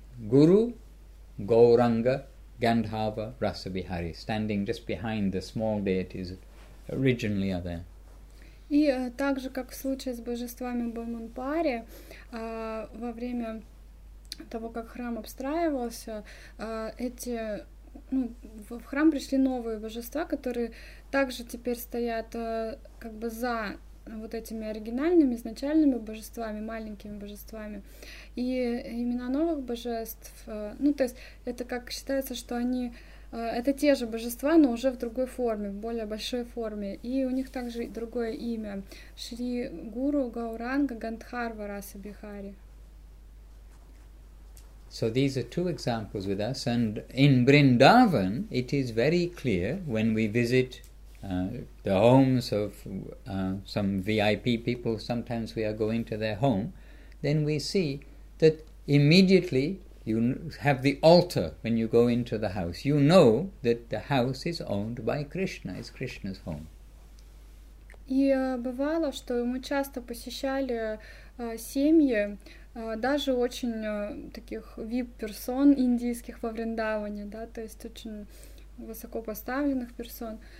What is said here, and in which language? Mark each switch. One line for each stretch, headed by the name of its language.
English: Guru, Gauranga, Gandhava Rasa Bihari, standing just behind the small deities originally are there.
Russian: И также, как в случае с божествами Бамунпари, во время того, как храм обстраивался, в храм пришли новые божества, которые также теперь стоят как бы за вот этими оригинальными, изначальными божествами, маленькими божествами, и имена новых божеств, ну, то есть это как считается, что они, это те же божества, но уже в другой форме, в более большой форме, и у них также другое имя, Шри Гуру Гауранга Гандхарва Раса Бихари.
English: So these are two examples with us, and in Vrindavan it is very clear when we visit the homes of some VIP people, sometimes we are going to their home, then we see that immediately you have the altar when you go into the house. You know that the house is owned by Krishna, it's Krishna's home.
Russian: И бывало, что мы часто посещали семьи, даже очень таких VIP-персон индийских во Вриндаване, да, то есть очень высоко поставленных персон.